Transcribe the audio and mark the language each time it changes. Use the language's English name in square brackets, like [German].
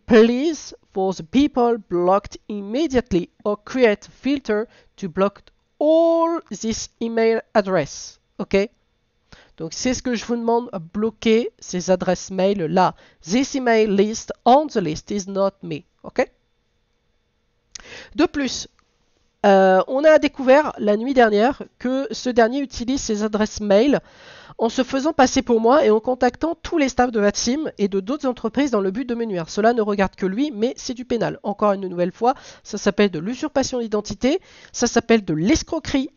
[English] Please, for the people blocked immediately or create filter to block all this email address. OK? [French] Donc, c'est ce que je vous demande, à bloquer ces adresses mail là. [English] This email list on the list is not me. OK? [French] De plus, on a découvert la nuit dernière que ce dernier utilise ses adresses mail en se faisant passer pour moi et en contactant tous les staffs de Vatsim et de d'autres entreprises dans le but de me nuire. Cela ne regarde que lui, mais c'est du pénal. Encore une nouvelle fois, ça s'appelle de l'usurpation d'identité, ça s'appelle de l'escroquerie.